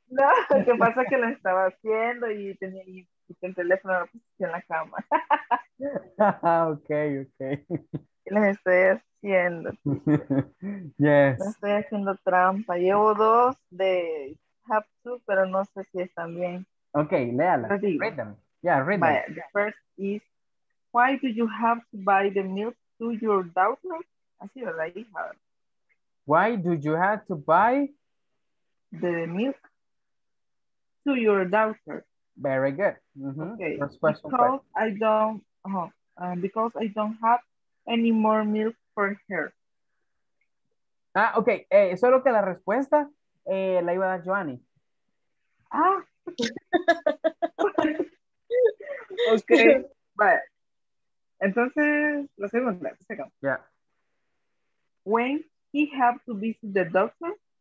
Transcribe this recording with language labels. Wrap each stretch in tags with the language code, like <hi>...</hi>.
<es>No, lo que pasa es que lo estaba haciendo y tenía el teléfono en la cama.</es> <en>Ok, ok.</en> <es>Lo estoy haciendo.</es> <en>Yes.</en> <es>Lo estoy haciendo trampa. Llevo dos de have to, pero no sé si están bien.</es> <en>Okay,</en> <es>léala.</es> <en>Read them. Yeah, read them. The first is, why do you have to buy the milk to your daughter?</en> <es>Así la hija.</es> <en>Why do you have to buy the milk to your daughter? Very good. Mm-hmm. Okay. Because I don't have any more milk for her.</en> <es>Ah, okay. Solo que la respuesta la iba a dar Joanny. Ah. Ok, vale. Entonces, la segunda.</es> <en>Yeah. When he have to visit the doctor?</en>